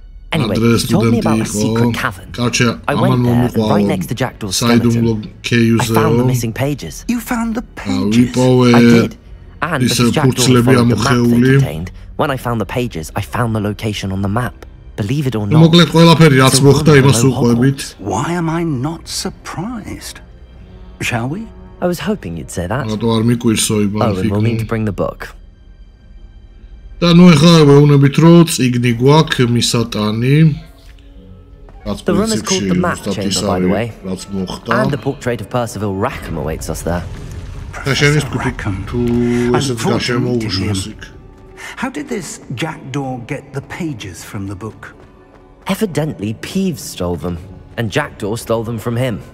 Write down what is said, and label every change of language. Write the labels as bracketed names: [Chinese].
[English] Anyway, he told me about a secret cavern. I went there, right next to Jackdaw's skeleton. I found the missing pages. You found the pages? I did. And because Jackdaw followed the map they contained, when I found the pages, I found the location on the map. Believe it or not. [Georgian] Მოკლედ ყველაფერი რაც მოხდა იმას უყვებით. [English] Why am I not surprised? Shall we? I was hoping you'd say that. [Georgian] Ანუ არ მიკვირსო იმას. [English] I'll need to bring the book. [Georgian] და ნუ ახლა ვეუბნებით რომ წიგნი გვაქვს მისატანი. [English] The room is called the map chamber, by the way. And the portrait of Percival Rackham awaits us there. [Georgian] Შეშენის კუთი თუ ესეც გაშემოუშვეს იქ. [English] How did this Jackdaw get the pages from the book? Evidently, Peeves stole them, and Jackdaw stole them from him.